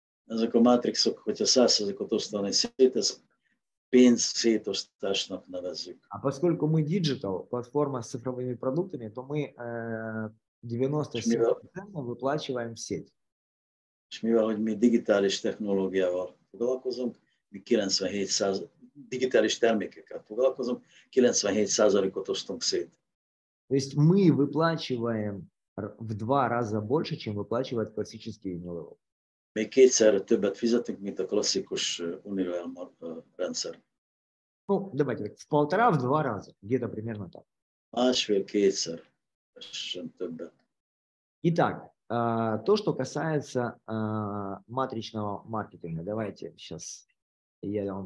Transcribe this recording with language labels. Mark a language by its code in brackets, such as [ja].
[hu] Ezek a matrixok, hogyha 100%-ot osztani szét, ez pénz szétosztásnak nevezzük. [ru] А поскольку мы digital, платформа с цифровыми продуктами, то мы 97% выплачиваем в сеть. [hu] És mivel, hogy mi digitális technológiával foglalkozunk, mi 97% digitális termékekkel foglalkozom, 97%-ot osztunk szét. [ru] То есть мы выплачиваем в два раза больше, чем выплачивает классический Unilevel. [hu] Még kétszer többet fizetünk, mint a klasszikus Unilevel rendszer. [ru] Ну, давайте, в полтора, в два раза, где-то примерно так. [hu] Másfél-kétszer, sem többet. [ru] Итак, то, что касается матричного маркетинга, давайте сейчас я вам